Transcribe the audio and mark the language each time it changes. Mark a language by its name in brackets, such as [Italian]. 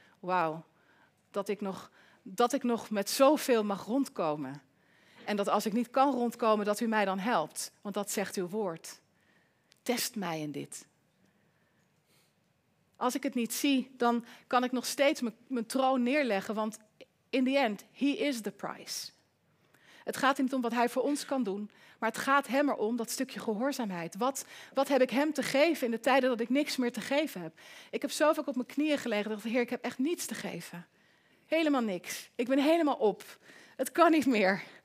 [Dutch] Wauw, dat ik nog met zoveel mag rondkomen. En dat als ik niet kan rondkomen, dat u mij dan helpt. Want dat zegt uw woord. Test mij in dit. Als ik het niet zie, dan kan ik nog steeds mijn troon neerleggen. Want [English] in the end, he is the price. [Dutch] Het gaat niet om wat hij voor ons kan doen. Maar het gaat hem erom, dat stukje gehoorzaamheid. Wat heb ik hem te geven in de tijden dat ik niks meer te geven heb? Ik heb zo vaak op mijn knieën gelegen. Dat Heer, ik heb echt niets te geven. Helemaal niks. Ik ben helemaal op. Het kan niet meer.